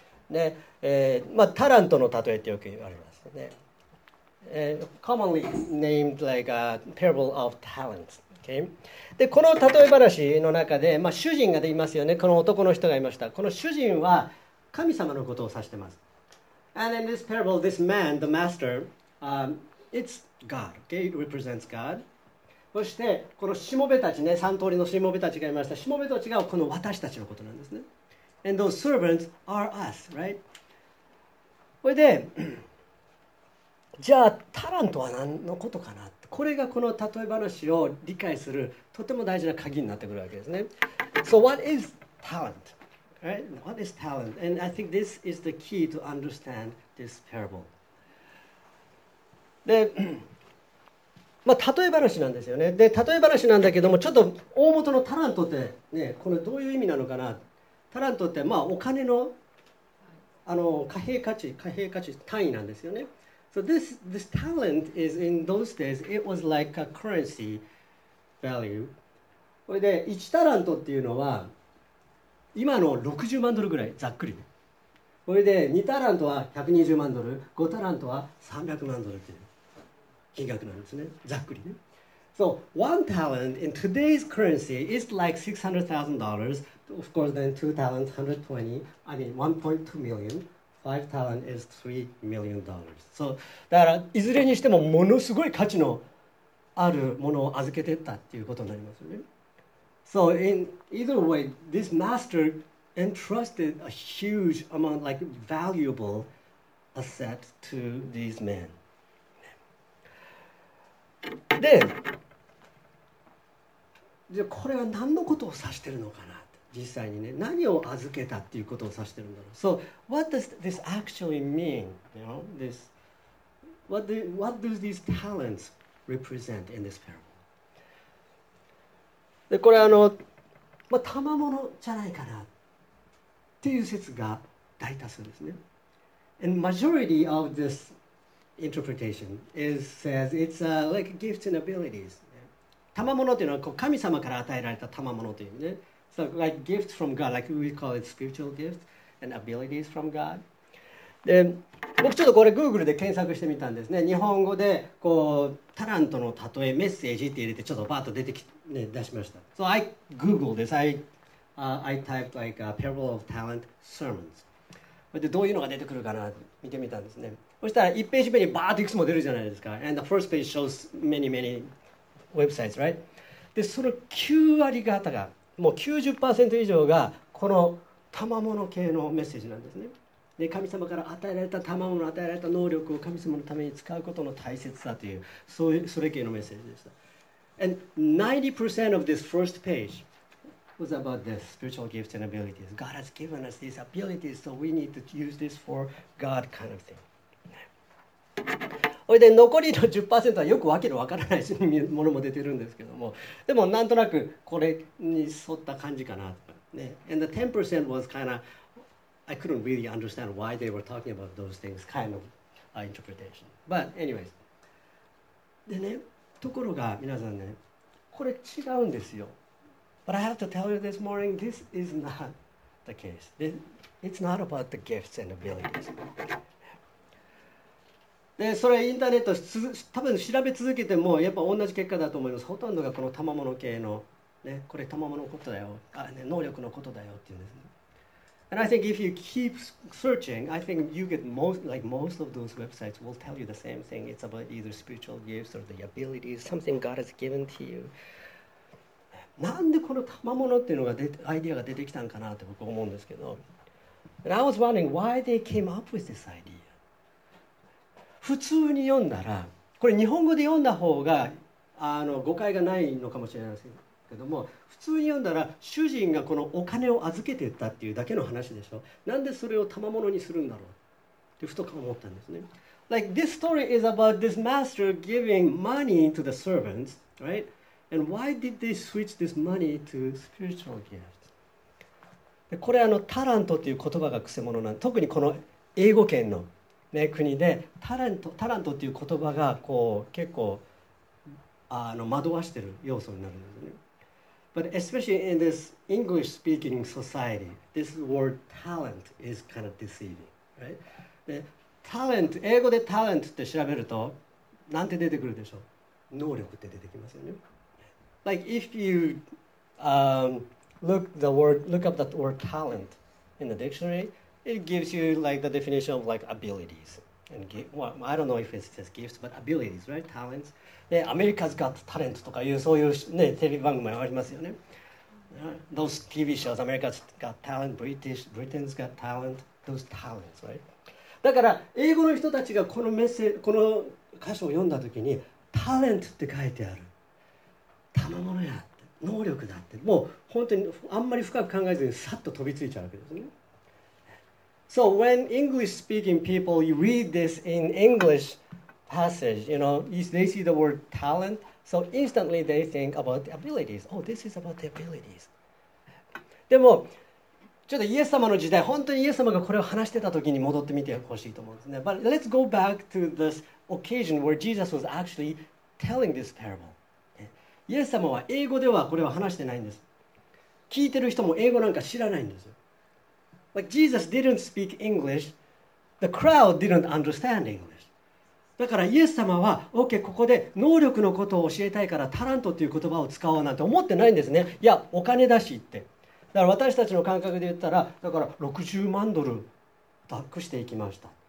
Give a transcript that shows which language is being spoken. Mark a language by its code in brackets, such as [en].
[ja] ね、まあタラントの例えってよく言われますね。 [en] Commonly named like a parable of talents. Okay. [ja] で、この例え話の中で、まあ主人がいますよね。この男の人がいました。この主人は神様のことを指してます。 [en] And in this parable, this man, the master, it's God. Okay, it represents God. [ja] そしてこのしもべたちね、3通りのしもべたちがいました。しもべと違うこの私たちのことなんですね。 [en] And those servants are us, right? [ja] それでじゃあタラントは何のことかな、これがこの例え話を理解するとても大事な鍵になってくるわけですね。 [en] So what is talent? Right? What is talent? And I think this is the key to understand this parable. [ja] で、まあ、例え話なんですよね。で、例え話なんだけども、ちょっと大元のタラントって、ね、これどういう意味なのかな。タラントって、まあ、お金の、あの、貨幣価値単位なんですよね。 [en] So this talent is in those days, it was like a currency value. [ja] これで、1タラントっていうのは、今の60万ドルぐらいざっくり、ね、これで2タラントは120万ドル、5タラントは300万ドルという金額なんですね、ざっくりね。 [en] So one talent in today's currency is like $600,000. Of course, then two talents, 120, I mean 1.2 million. Five talent is $3 million. [ja] So だからいずれにしてもものすごい価値のあるものを預けてったっていうことになりますよね。 [en] So in either way, this master entrusted a huge amount, like valuable asset to these men. [ja] で、じゃあこれは何のことを指してるのかな、実際にね、何を預けたっていうことを指してるんだろう。 [en] So what does this actually mean? You know, this, what do these talents represent in this parable? [ja] でこれあの、まあ、賜物じゃないかなっていう説が大多数ですね。 [en] And majority of this interpretation is says it's a, like gifts and abilities. [ja] 賜物というのはこう神様から与えられた賜物というね。 [en] So like gifts from God, like we call it spiritual gifts and abilities from God. [ja] で僕ちょっとこれ Google で検索してみたんですね。日本語でこうタラントの例えメッセージって入れてちょっとバーッと出てきて。ね、出しました。 [en] So I googled this. I typed like a parable of talent sermons. [ja] でどういうのが出てくるかな見てみたんですね。そしたら1ページ目にバーッといくつも出るじゃないですか。 [en] And the first page shows many, many websites, right? [ja] で、その9割方が、もう 90% 以上がこの賜物系のメッセージなんですね。で、神様から与えられた賜物、与えられた能力を神様のために使うことの大切さという、そういうそれ系のメッセージでした。 [en] And 90% of this first page was about the spiritual gifts and abilities. God has given us these abilities, so we need to use this for God kind of thing. [ja] それで残りの 10% はよくわけのわからないものも出てるんですけども、でもなんとなくこれに沿った感じかな。ね、 [en] And the 10% was kind of, I couldn't really understand why they were talking about those things, kind of interpretation. But anyways, [ja] でね、ところが皆さんね、これ違うんですよ。 [en] But I have to tell you this morning, this is not the case. It's not about the gifts and abilities. [ja] で、それインターネット多分調べ続けてもやっぱ同じ結果だと思います。ほとんどがこの賜物系の、ね、これ賜物のことだよ、あ、ね、能力のことだよっていうんですね。 [en] And I think if you keep searching, I think you get most, like most of those websites will tell you the same thing. It's about either spiritual gifts or the abilities, something God has given to you. [ja] なんでこの賜物っていうのがアイデアが出てきたんかなって僕思うんですけど。 [en] And I was wondering why they came up with this idea. [ja] 普通に読んだら、これ日本語で読んだ方が誤解がないのかもしれないですけども、普通に読んだら主人がこのお金を預けてったっていうだけの話でしょ。なんでそれを賜物にするんだろうってふと思ったんですね。 [en] Like this story is about this master giving money to the servants, right? And why did they switch this money to spiritual gifts? [ja] でこれあのタラントっていう言葉がくせ者なん、特にこの英語圏の、ね、国でタラントっていう言葉がこう結構惑わしてる要素になるんですね。 [en] But especially in this English-speaking society, this word talent is kind of deceiving, right? [ja] で、talent、英語で talent って調べると、なんて出てくるでしょう？能力って出てきますよね。 [en] Like if you look up the word talent in the dictionary, it gives you like the definition of like abilities, And well, I don't know if it's just gifts, but abilities, right? [ja] Talents. で、America's Got Talent とかいうそういうね、テレビ番組もありますよね。 [en] Those TV shows, America's Got Talent, British, Britain's Got Talent, those talents, right? [ja] だから、英語の人たちがこのメッセージ、この箇所を読んだときに、タレントって書いてある。賜物やって、能力だって、もう本当にあんまり深く考えずにさっと飛びついちゃうわけですね。 [en] So when English speaking people you read this in English passage, you know, they see the word talent, so instantly they think about the abilities. Oh, this is about the abilities. [ja] でも、ちょっとイエス様の時代、本当にイエス様がこれを話してた時に戻ってみてほしいと思うんですね。 [en] But let's go back to this occasion where Jesus was actually telling this parable. [ja] イエス様は英語ではこれを話してないんです。聞いてる人も英語なんか知らないんです。 [en] Like Jesus didn't speak English, the crowd didn't understand English. [ja] だからイエス様は、OK、ここで能力のことを教えたいからタラントという言葉を使おうなんて思ってないんですね。いや、お金だしって。だから私たちの感覚で言ったら、だから60万ドル託していきました。